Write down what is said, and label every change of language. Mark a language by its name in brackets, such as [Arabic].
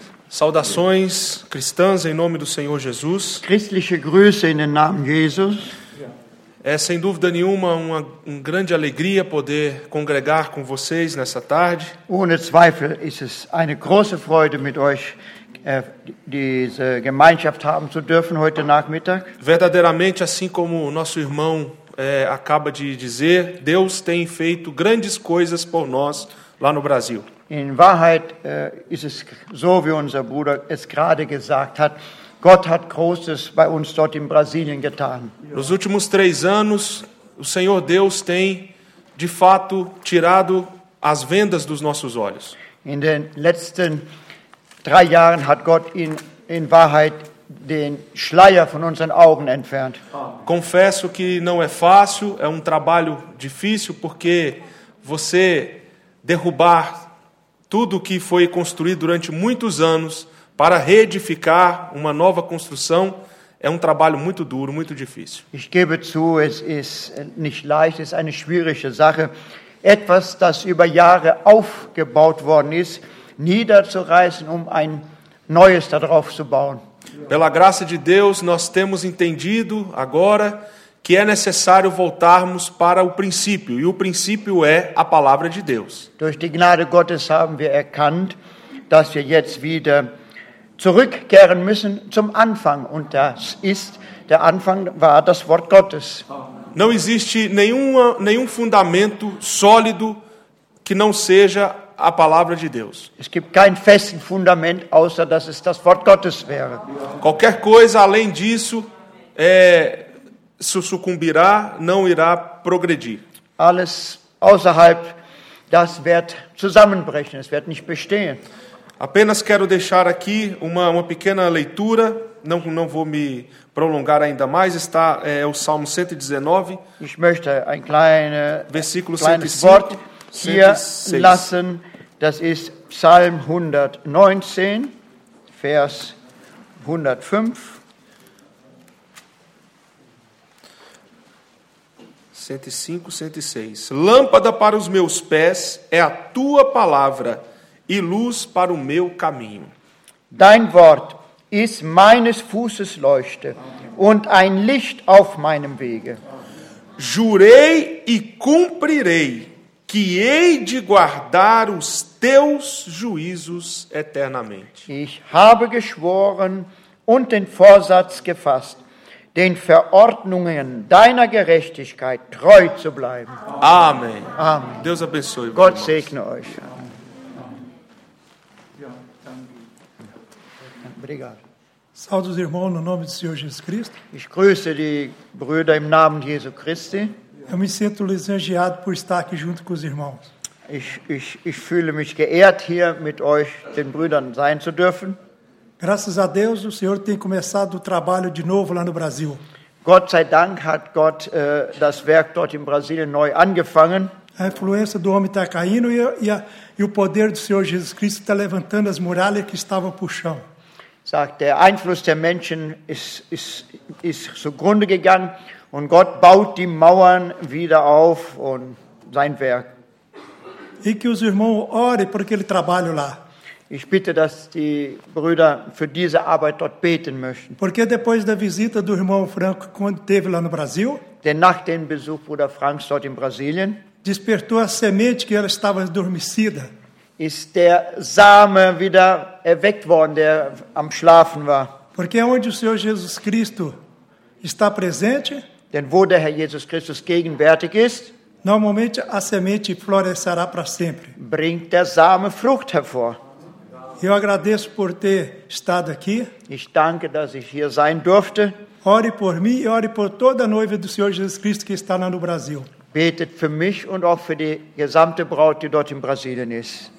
[Portuguese] Saudações cristãs em nome do Senhor Jesus. [German] Christliche Grüße in den Namen Jesus. [Portuguese] É sem dúvida nenhuma uma grande alegria poder congregar com vocês nessa tarde. [German] Ohne Zweifel ist es eine große Freude mit euch diese Gemeinschaft haben zu dürfen heute Nachmittag. [Portuguese] Verdadeiramente, assim como o nosso irmão acaba de dizer, Deus tem feito grandes coisas por nós lá no Brasil. [German] In Wahrheit ist es so, wie unser Bruder es gerade gesagt hat, Gott hat Großes bei uns dort in Brasilien getan. [Portuguese] Nos últimos 3 anos, o Senhor Deus tem, de fato, tirado as vendas dos nossos olhos. [German] In den letzten 3 Jahren hat Gott in Wahrheit den Schleier von unseren Augen entfernt. [Portuguese] Confesso que não é fácil, é trabalho difícil, porque você derrubar tudo que foi construído durante muitos anos para reedificar uma nova construção é trabalho muito duro, muito difícil. [German] Ich gebe zu, es ist nicht leicht, es ist eine schwierige Sache, etwas, das über Jahre aufgebaut worden ist, niederzureißen, ein neues darauf zu bauen. [Portuguese] Pela graça de Deus, nós temos entendido agora que é necessário voltarmos para o princípio, e o princípio é a palavra de Deus. [German] Durch die Gnade Gottes haben wir erkannt, dass wir jetzt wieder zurückkehren müssen zum Anfang, und das ist der Anfang war das Wort Gottes. [Portuguese] Não existe nenhum fundamento sólido que não seja a palavra de Deus. [German] Es gibt kein festes Fundament außer dass es das Wort Gottes wäre. [Portuguese] Qualquer coisa além disso sucumbirá, não irá progredir. [German] Alles außerhalb, das wird zusammenbrechen, es wird nicht bestehen. [Portuguese] Apenas quero deixar aqui uma pequena leitura, não vou me prolongar ainda mais, está o Salmo 119. [German] Ich möchte ein kleine [Portuguese] versículo 105 [German] lassen. Das ist Psalm 119, Vers 105. [Portuguese] 105, 106. Lâmpada para os meus pés é a tua palavra e luz para o meu caminho. [German] Dein Wort ist meines Fußes Leuchte und ein Licht auf meinem Wege. [Portuguese] Jurei e cumprirei que hei de guardar os teus juízos eternamente. [German] Ich habe geschworen und den Vorsatz gefasst, den Verordnungen deiner Gerechtigkeit treu zu bleiben. [Portuguese] Amen. Amen. Deus abençoe. [German] Gott segne euch. [Portuguese] Obrigado. Saúdo os irmãos no nome do Senhor Jesus Cristo. [German] Ich grüße die Brüder im Namen Jesu Christi. [Portuguese] Eu me sinto lisonjeado por estar aqui junto com os irmãos. [German] Ich fühle mich geehrt, hier mit euch, den Brüdern, sein zu dürfen. [Portuguese] Graças a Deus, o Senhor tem começado o trabalho de novo lá no Brasil. [German] Gott sei Dank hat Gott das Werk dort in Brasilien neu angefangen. [Portuguese] A influência do homem está caindo e o poder do Senhor Jesus Cristo está levantando as muralhas que estavam por chão. [German] Sagt, der Einfluss der Menschen ist zugrunde gegangen und Gott baut die Mauern wieder auf und sein Werk. [Portuguese] E que os irmãos orem por aquele trabalho lá. [German] Ich bitte, dass die Brüder für diese Arbeit dort beten möchten. [Portuguese] Porque depois da visita do irmão Franco quando teve lá no Brasil, [German] denn nach dem Besuch Bruder Franks dort in Brasilien, [Portuguese] despertou a semente que ela estava adormecida. [German] Ist der Same wieder erweckt worden, der am Schlafen war. [Portuguese] Porque onde o Senhor Jesus Cristo está presente, [German] denn wo der Herr Jesus Christus gegenwärtig ist, [Portuguese] normalmente a semente florescerá para sempre. [German] Bringt der Same Frucht hervor. [Portuguese] Eu agradeço por ter estado aqui. [German] Ich danke, dass ich hier sein durfte. [Portuguese] Ore por mim e ore por toda a noiva do Senhor Jesus Cristo que está lá no Brasil. [German] Betet für mich und auch für die gesamte Braut, die dort in Brasilien ist.